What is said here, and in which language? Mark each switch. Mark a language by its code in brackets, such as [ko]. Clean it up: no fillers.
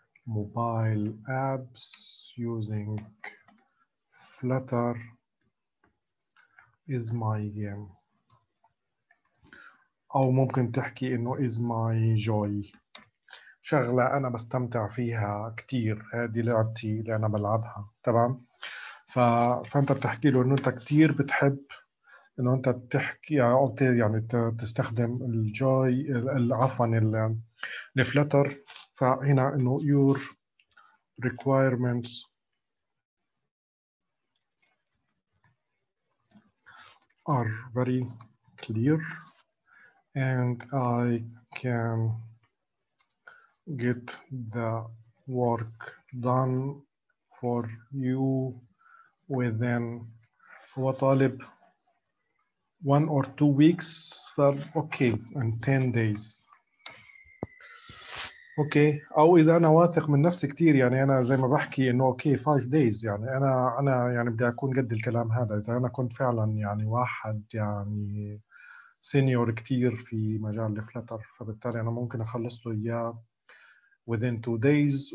[en] mobile apps using Flutter is my game، [ar] أو ممكن تحكي إنه [en] is my joy، [ar] شغلة أنا بستمتع فيها كتير، هذه لعبتي اللي أنا بلعبها. تمام؟ فأنت بتحكي له إنه أنت كتير بتحب إنه أنت تحكي، يعني تستخدم الجوي عفواً الفلتر. فهنا إنه [en] your requirements are very clear and I can get the work done for you within [ar] وطالب [en] 1 or 2 weeks. Okay, and 10 days. Okay. [ar] أو إذا أنا واثق من نفسي كتير، يعني أنا زي ما بحكي إنه [en] okay 5 days، [ar] يعني أنا يعني بدي أكون قد الكلام هذا. إذا أنا كنت فعلا يعني واحد يعني سينيور كتير في مجال الفلتر، فبالتالي أنا ممكن أخلص له إياه [en] within 2 days.